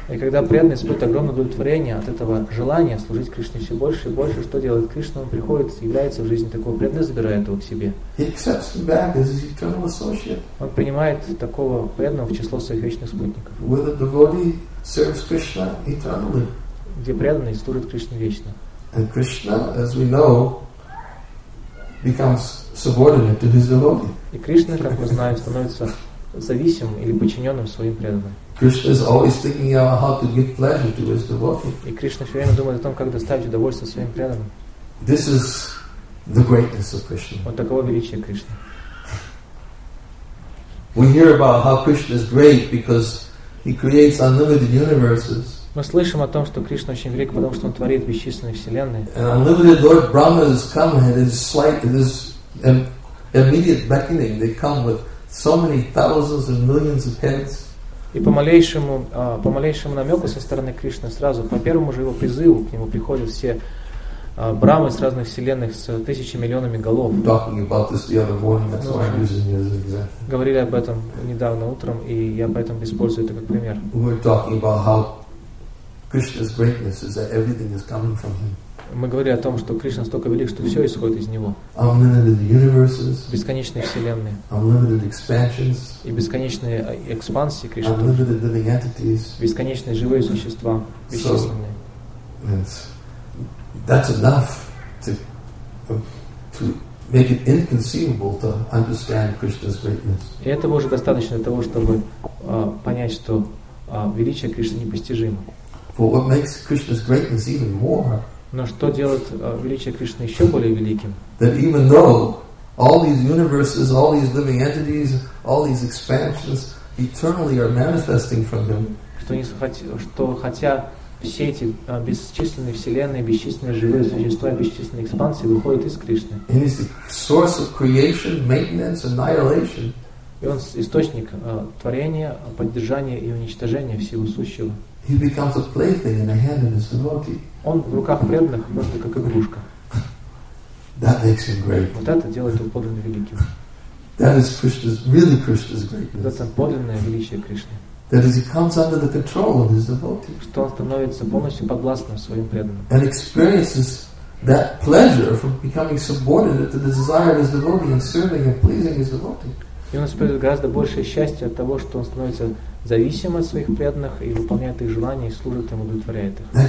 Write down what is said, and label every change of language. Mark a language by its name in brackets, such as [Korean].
[Russian] И когда преданный испытывает огромное удовлетворение от этого желания служить Кришне все больше и больше, что делает Кришна? Он приходит, является в жизни такого преданного, забирает его к себе. [English] He accepts him back as his eternal associate. [Russian] Он принимает такого преданного в число своих вечных спутников. [English] Where the devotee serves Krishna eternally. [Russian] Где преданный служит Кришне вечно. [English] And Krishna, as we know, becomes subordinate to his devotee. [Russian] И Кришна, как мы знаем, становится зависимым или подчиненным своим преданным. [English] Krishna is always thinking about how to give pleasure to his devotee. [Russian] И Кришна все время думает о том, как доставить удовольствие своим преданным. [English] This is the greatness of Krishna. [Russian] Вот таково величие Кришны. [English] We hear about how Krishna is great because he creates unlimited universes. [Russian] Мы слышим о том, что Кришна очень велик, потому что он творит бесчисленные вселенные. [English] And unlimited Lord Brahma has come and his slight, his immediate beckoning, they come with so many thousands and millions of heads. [Russian] И по малейшему намеку со стороны Кришны сразу, по первому же его призыву, к нему приходят все брамы с разных вселенных с тысячами миллионами голов. [English] Talking about this the other morning, that's why I'm using it as an example. [Russian] Говорили об этом недавно утром, и я поэтому использую это как пример. [English] We're talking about how Krishna's greatness is that everything is coming from him. [Russian] Мы говорили о том, что Кришна столько велик, что все исходит из Него. [English] Unlimited universes. [Russian] Бесконечные вселенные. [English] Unlimited expansions. [Russian] И бесконечные экспансии Кришны. [English] Unlimited living entities. [Russian] Бесконечные живые существа, бесчисленные. [English] So, that's enough to make it inconceivable to understand Krishna's greatness. [Russian] И этого уже достаточно для того, чтобы понять, что величие Кришны непостижимо. [English] But what makes Krishna's greatness even more? [Russian] Но что делает величие Кришны еще более великим? [English] That even though all these universes, all these living entities, all these expansions eternally are manifesting from him. [Russian] Что хотя все эти бесчисленные вселенные, бесчисленные живые существа, бесчисленные экспансии выходят из Кришны. [English] And he's the source of creation, maintenance, annihilation. [Russian] И он источник творения, поддержания и уничтожения всего сущего. [English] He becomes a plaything in the hand of his devotee. [Russian] Он в руках преданных просто как игрушка. [English] That makes him great. [Russian] Вот это делает его подлинно великим. [English] That is Krishna's, really Krishna's greatness. [Russian] Это подлинное величие Кришны. [English] That is he comes under the control of his devotee. [Russian] Что он становится полностью подвластным своим преданным. [English] And experiences that pleasure from becoming subordinate to the desire of his devotee and serving and pleasing his devotee. [Russian] И он испытывает гораздо большее счастье от того, что он становится зависим от своих преданных и выполняет их желания, и служит им, удовлетворяет их.